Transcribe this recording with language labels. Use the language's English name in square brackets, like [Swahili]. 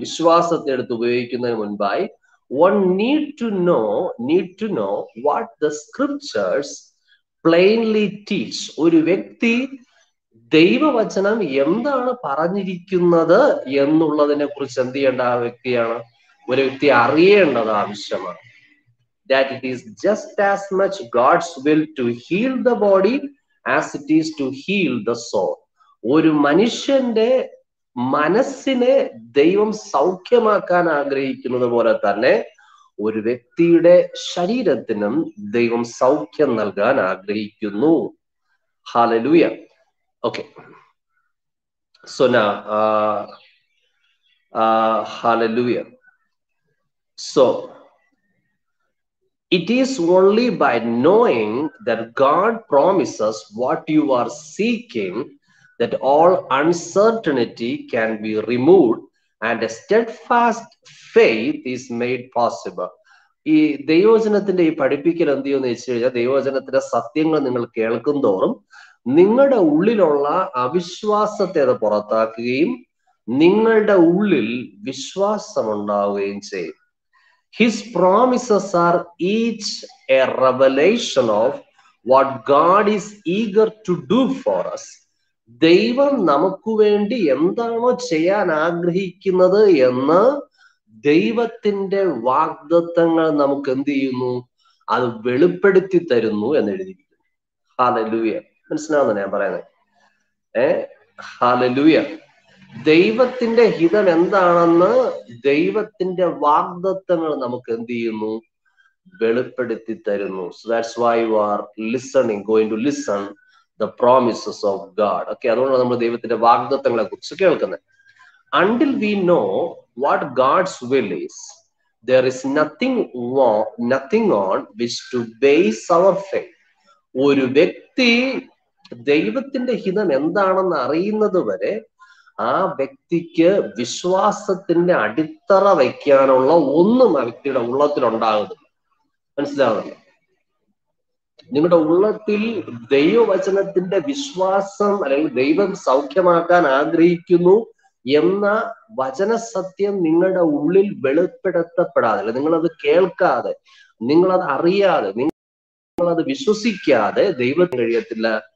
[Malayalam] വിശ്വാസത്തെ എടുത്ത് ഉപയോഗിക്കുന്നതിന് മുൻപായി [English] One need to know what the scriptures plainly teach. [Malayalam] ഒരു വ്യക്തി ദൈവവചനം എന്താണ് പറഞ്ഞിരിക്കുന്നത് എന്നുള്ളതിനെ കുറിച്ച് എന്ത് ചെയ്യേണ്ട ആ വ്യക്തിയാണ്, ഒരു വ്യക്തി അറിയേണ്ടത് ആവശ്യമാണ്. [English] That it is just as much God's will to heal the body as it is to heal the soul. [Malayalam] ഒരു മനുഷ്യന്റെ മനസ്സിനെ ദൈവം സൗഖ്യമാക്കാൻ ആഗ്രഹിക്കുന്നത് പോലെ തന്നെ ഒരു വ്യക്തിയുടെ ശരീരത്തിനും ദൈവം സൗഖ്യം നൽകാൻ ആഗ്രഹിക്കുന്നു. Hallelujah. Okay, [English] So now, hallelujah. So it is only by knowing that God promises what you are seeking that all uncertainty can be removed and a steadfast faith is made possible. [Malayalam] ഈ ദൈവവചനത്തിന്റെ ഈ പഠിപ്പിക്കൽ എന്ത് ചെയ്യുമെന്ന് വെച്ച് കഴിഞ്ഞാൽ ദൈവവചനത്തിന്റെ സത്യങ്ങൾ നിങ്ങൾ കേൾക്കും തോറും നിങ്ങളുടെ ഉള്ളിലുള്ള അവിശ്വാസത്തെ അത് പുറത്താക്കുകയും നിങ്ങളുടെ ഉള്ളിൽ വിശ്വാസം ഉണ്ടാവുകയും ചെയ്യും. [English] His promises are each a revelation of what God is eager to do for us. [Malayalam] ദൈവം നമുക്ക് വേണ്ടി എന്താണോ ചെയ്യാൻ ആഗ്രഹിക്കുന്നത് എന്ന് ദൈവത്തിന്റെ വാഗ്ദത്തങ്ങൾ നമുക്ക് എന്ത് ചെയ്യുന്നു, അത് വെളിപ്പെടുത്തി തരുന്നു എന്ന് എഴുതിയിരിക്കുന്നു. ഹല്ലേലൂയ, മനസ്സിലാവുന്ന ഞാൻ പറയുന്നത്. ഹല്ലേലൂയ, ദൈവത്തിന്റെ ഹിതം എന്താണെന്ന് ദൈവത്തിന്റെ വാഗ്ദത്തങ്ങൾ നമുക്ക് എന്ത് ചെയ്യുന്നു, വെളിപ്പെടുത്തി തരുന്നു. [English] So that's why you are listening going to listen the promises of God. [Malayalam] Okay, അതുകൊണ്ടാണ് നമ്മൾ ദൈവത്തിന്റെ വാഗ്ദത്തങ്ങളെ കുറിച്ച് കേൾക്കുന്നത്. [English] Until we know what God's will is, there is nothing on which to base our faith. [Malayalam] ഒരു വ്യക്തി ദൈവത്തിന്റെ ഹിതം എന്താണെന്ന് അറിയുന്നത് വരെ ആ വ്യക്തിക്ക് വിശ്വാസത്തിന്റെ അടിത്തറ വയ്ക്കാനുള്ള ഒന്നും ആ വ്യക്തിയുടെ ഉള്ളത്തിൽ ഉണ്ടാകുന്നില്ല. മനസ്സിലാവുന്നില്ല? നിങ്ങളുടെ ഉള്ളത്തിൽ ദൈവവചനത്തിന്റെ വിശ്വാസം, അല്ലെങ്കിൽ ദൈവം സൗഖ്യമാക്കാൻ ആഗ്രഹിക്കുന്നു എന്ന വചനസത്യം നിങ്ങളുടെ ഉള്ളിൽ വെളിപ്പെടുത്തപ്പെടാതെ, നിങ്ങളത് കേൾക്കാതെ, നിങ്ങളത് അറിയാതെ, നിങ്ങളത് വിശ്വസിക്കാതെ ദൈവം കഴിയത്തില്ല.